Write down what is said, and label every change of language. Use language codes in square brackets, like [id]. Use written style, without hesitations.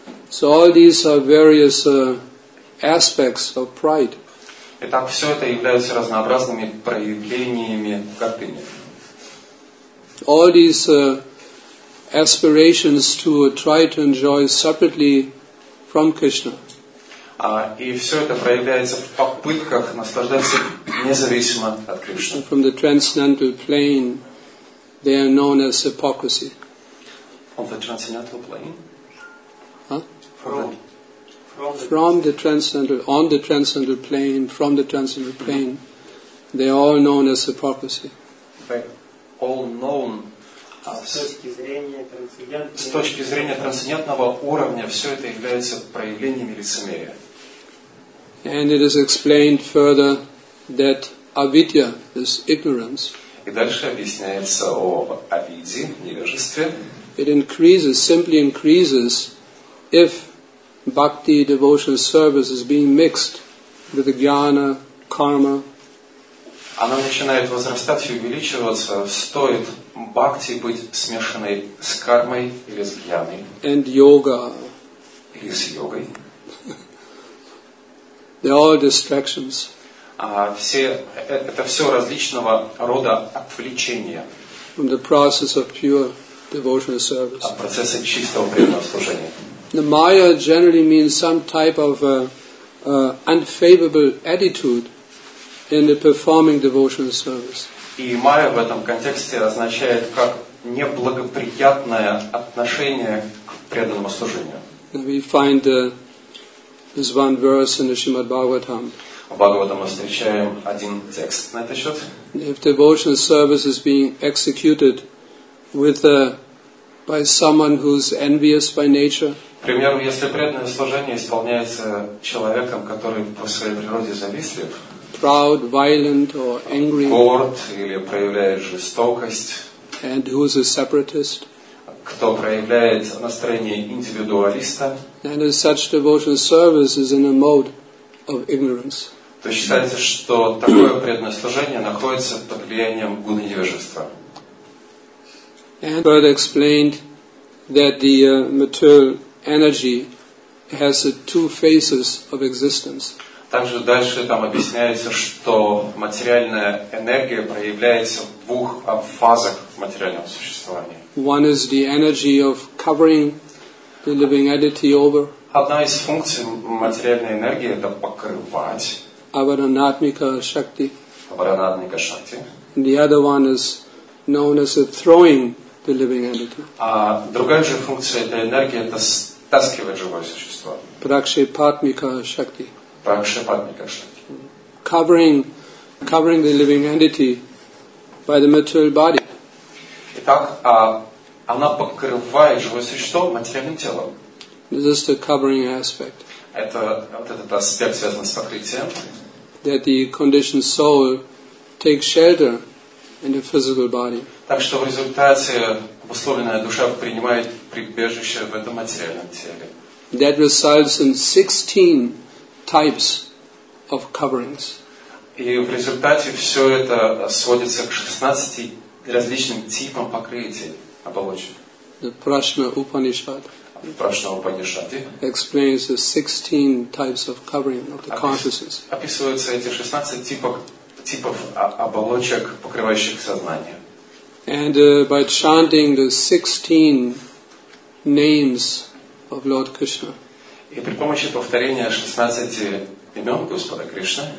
[en] So all these are various aspects of pride. [ru] Итак, все это являются разнообразными проявлениями гордыни. [en] All these aspirations to try to enjoy separately from Krishna. [ru] И все это проявляется в попытках наслаждаться независимо от Кришны. [en] From the transcendental plane, they are known as hypocrisy. On the transcendental plane? Huh? From the transcendental plane, they are all known as hypocrisy. All known as... [ru] С точки зрения трансцендентного уровня все это является проявлением лицемерия. [en] And it is explained further that avidya is ignorance. [ru] И дальше объясняется о авиде, невежестве. [en] It increases, simply increases, if Bhakti devotional service is being mixed with the jnana, karma. [ru] Оно начинает возрастать и увеличиваться, стоит бхакти быть смешанной с кармой или с гьяной. [en] And yoga. [ru] Или с йогой. [en] They're all distractions. [ru] Это все различного рода отвлечения. [en] From the process of pure devotional service. [ru] От процесса чистого преданного служения. [en] The Maya generally means some type of unfavorable attitude in the performing devotional service. [ru] И Maya в этом контексте означает как неблагоприятное отношение к преданному служению. [en] And we find this one verse in the Srimad Bhagavatam. [ru] В Бхагаватам мы встречаем один текст на этот счет. [en] If devotional service is being executed with by someone who's envious by nature. [ru] К примеру, если преданное служение исполняется человеком, который по своей природе завистлив, [en] proud, violent or angry, [ru] горд или проявляет жестокость, [en] and who is a separatist, [ru] кто проявляет настроение индивидуалиста, [en] and in such devotional service is in a mode of ignorance. [ru] То считается, что такое преданное служение находится под влиянием гуны невежества. [en] And further explained that the material energy has two faces of existence. [ru] Также дальше там объясняется, что материальная энергия проявляется в двух фазах материального существования. [en] One is the energy of covering the living entity over. [ru] Одна из функций материальной энергии это покрывать. [sa] Аваранатмика шакти. Аваранатмика шакти. [en] The other one is known as the throwing the living energy. [ru] А другая же функция этой энергии это стаскивать живое существо. [sa] Пракшепатмика шакти. Пракшепатмика шакти. [en] Covering the living entity by the material body. [ru] Итак, она покрывает живое существо материальным телом. [en] This is the covering aspect. [ru] Это вот этот аспект связан с покрытием. [en] That the conditioned soul takes shelter in the physical body. [ru] Так что в результате обусловленная душа принимает прибежище в этом материальном теле. [en] That results in 16 types of coverings. [ru] И в результате все это сводится к 16 различным типам покрытий оболочек. [en] The Prashna Upanishad. Explains the 16 types of covering of the consciousness. [ru] Описываются эти 16 типов оболочек, покрывающих сознание. [en] And by chanting the 16 names of Lord Krishna. [ru] И при помощи повторения 16 имен Господа Кришны.